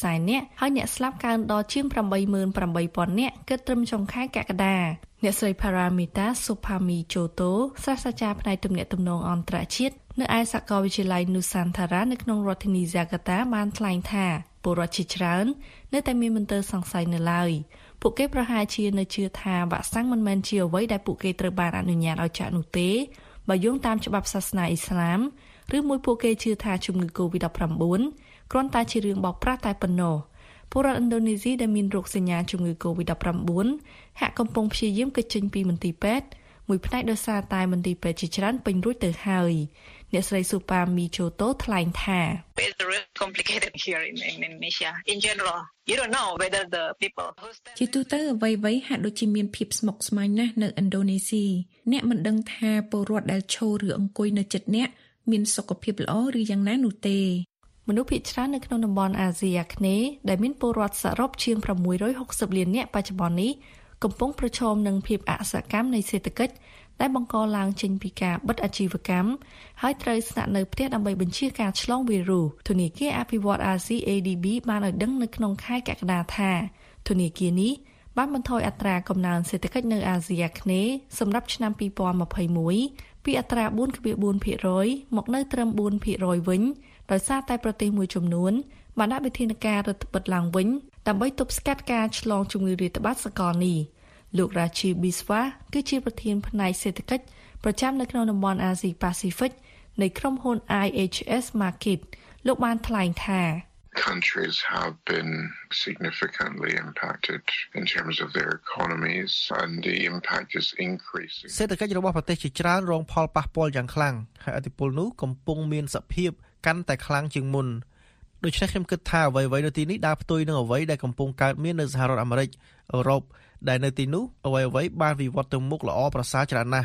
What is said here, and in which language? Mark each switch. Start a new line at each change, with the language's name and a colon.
Khmer: នាក់ហើយអ្នកស្លាប់កើនដល់ជាង 88,000 នាក់គិតត្រឹមចុងខែកក្កដាអ្នកស្រី Paramita Supami Choto សាស្ត្រាចារ្យផ្នែកទំនាក់ទំនងអន្តរជាតិនៅឯសាកលវិទ្យាល័យ Nusantara នៅក្នុងរដ្ឋធានី Jakarta បានថ្លែងថាពលរដ្ឋជាច្រើននៅតែមានមន្ទិលសង្ស័យនៅឡើយពួកគេប្រហែលជានៅជឿថាវ៉ាក់សាំងមិនមែនជាអ្វីដែលពួកគេត្រូវបានអនុញ្ញាតឲ្យចាក់នោះទេបើយោងតាមច្បាប់សាសនាអ៊ីស្លាមឬមួយពួកគេជឿថាជំងឺ COVID-19 គ្រាន់តែជារឿងបោកប្រាស់តែប៉ុណ្ណោះពលរដ្ឋឥណ្ឌូនេស៊ីដែលមានរោគសញ្ញាជំងឺ COVID-19 ហាក់កំពុងព្យាយាមគេចចេញពីមន្ទីរពេទ្យមួយផ្នែកដោយសារតែមន្ទីរពេទ្យជាច្រើនពេញរួចទៅហើយអ្នកស្រី Supami Choto ថ្លែងថា
English: It's really complicated here in Indonesia in general you don't know whether the people
Khmer: ជាទូទៅអ្វីៗហាក់ដូចជាមានភាពស្មុគស្មាញណាស់នៅឥណ្ឌូនេស៊ីអ្នកមិនដឹងថាពលរដ្ឋដែលឈរឬអង្គុយនៅជិតអ្នកមានសុខភាពល្អឬយ៉ាងណានោះទេ មនុស្សភាគច្រើននៅក្នុងតំបន់អាស៊ីអាគ្នេយ៍ដែលមានពលរដ្ឋសរុបជាង660លាននាក់បច្ចុប្បន្ននេះកំពុងប្រឈមនឹងភាពអសកម្មនៃសេដ្ឋកិច្ចដែលបង្កឡើងចេញពីការបិទអាជីវកម្មហើយត្រូវស្នាក់នៅផ្ទះដើម្បីបញ្ជៀសការឆ្លងវីរុសធនាគារអភិវឌ្ឍន៍អាស៊ី ADB បានឲ្យដឹងនៅក្នុងខែកក្កដាថាធនាគារនេះបានបន្ថយអត្រាកំណើនសេដ្ឋកិច្ចនៅអាស៊ីអាគ្នេយ៍សម្រាប់ឆ្នាំ 2021ពីអត្រា 4.4% មកនៅត្រឹម 4% វិញដោយសារតែប្រទេសមួយចំនួនបានដាក់វិធានការរឹតបន្តឹងឡើងវិញដើម្បីទប់ស្កាត់ការឆ្លងជំងឺរាតត្បាតសកលនេះលោករាជីប៊ីស្វាគឺជាប្រធានផ្នែកសេដ្ឋកិច្ចប្រចាំនៅក្នុងតំបន់អាស៊ីប៉ាស៊ីហ្វិកនៃក្រុមហ៊ុន IHS Market លោកបានថ្លែងថា
English: Countries have been significantly impacted in terms of their economies and the impact is increasing
Khmer: សេដ្ឋកិច្ចរបស់ប្រទេសជាច្រើនរងផលប៉ះពាល់យ៉ាងខ្លាំងហើយឥទ្ធិពលនោះកំពុងមានសភាពកាន់តែខ្លាំងជាងមុនដូច្នេះខ្ញុំគិតថាអ្វីៗនៅទីនេះដើរផ្ទុយនឹងអ្វីដែលកំពុងកើតមាននៅសហរដ្ឋអាមេរិកអឺរ៉ុបដែលនៅទីនោះអ្វីៗបានវិវត្តទៅមុខល្អប្រសើរច្រើនណាស